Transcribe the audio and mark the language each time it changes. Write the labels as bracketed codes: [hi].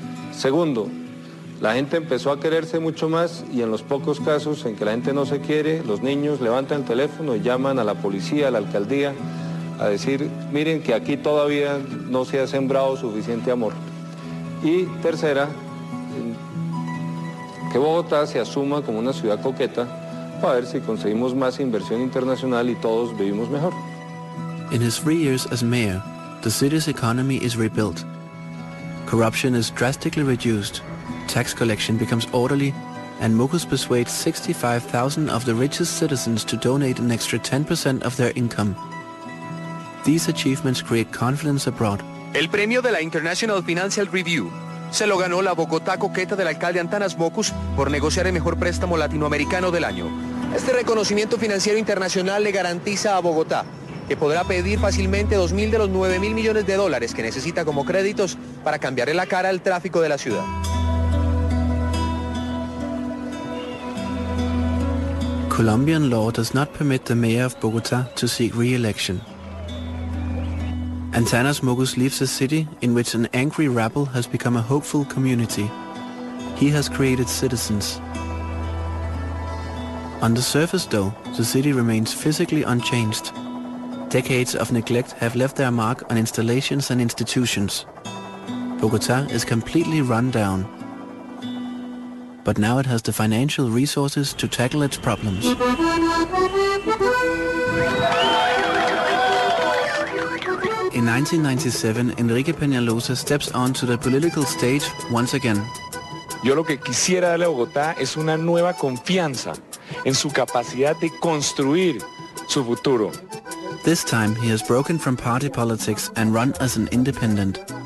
[es] Segundo, la gente empezó a quererse mucho más y en los pocos casos en que la gente no se quiere, los niños levantan el teléfono y llaman a la policía, a la alcaldía, a decir, miren que aquí todavía no se ha sembrado suficiente amor. Y tercera, que Bogotá se asuma como una ciudad coqueta para ver si conseguimos más inversión internacional y todos vivimos mejor. [en] In his 3 years as mayor, the city's economy is rebuilt. Corruption is drastically reduced, tax collection becomes orderly, and Mocus persuades 65,000 of the richest citizens to donate an extra 10% of their income. These achievements create confidence abroad. [es] El premio de la International Financial Review se lo ganó la Bogotá coqueta del alcalde Antanas Mocus por negociar el mejor préstamo latinoamericano del año. Este reconocimiento financiero internacional le garantiza a Bogotá que podrá pedir fácilmente 2.000 de los 9.000 millones de dólares que necesita como créditos para cambiarle la cara al tráfico de la ciudad. [en] Colombian law does not permit the mayor of Bogotá to seek re-election. Antanas Mocus leaves a city in which an angry rabble has become a hopeful community. He has created citizens. On the surface, though, the city remains physically unchanged. Decades of neglect have left their mark on installations and institutions. Bogotá is completely run down. But now it has the financial resources to tackle its problems. In 1997, Enrique Peñalosa steps onto the political stage once again. [es] Yo lo que quisiera darle a Bogotá es una nueva confianza en su capacidad de construir su futuro. [en] This time, he has broken from party politics and run as an independent.